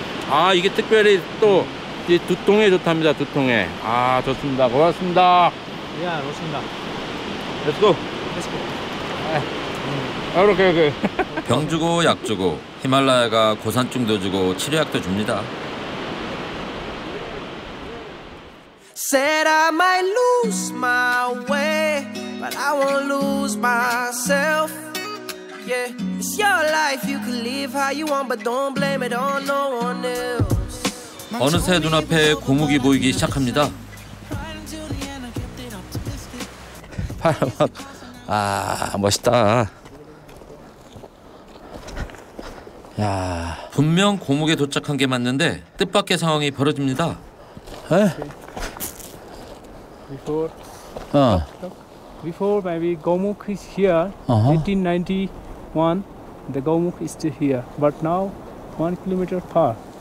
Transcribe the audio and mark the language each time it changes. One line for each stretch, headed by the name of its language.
Korean: 아, 이게 특별히 또 이 두통에 좋답니다. 두통에. 아, 좋습니다. 고맙습니다. 예, yeah, 좋습니다.
English: 렛츠 고. 아, 오케이 오케이.
Korean: 병 주고 약 주고 히말라야가 고산증도 주고 치료약도 줍니다.
English: Said I might lose my way, but I won't lose myself. Yeah, it's your life. You can live how you want, but don't blame it on no one else.
Korean: 어느새 눈앞에 고목이 보이기 시작합니다. 바람 막 아, 멋있다. 야, 분명 고목에 도착한 게 맞는데 뜻밖의 상황이 벌어집니다. 에?
English: Before maybe Gomuk is here. Uh-huh. 1891, the Gomuk is still here, but now 1 kilometer far.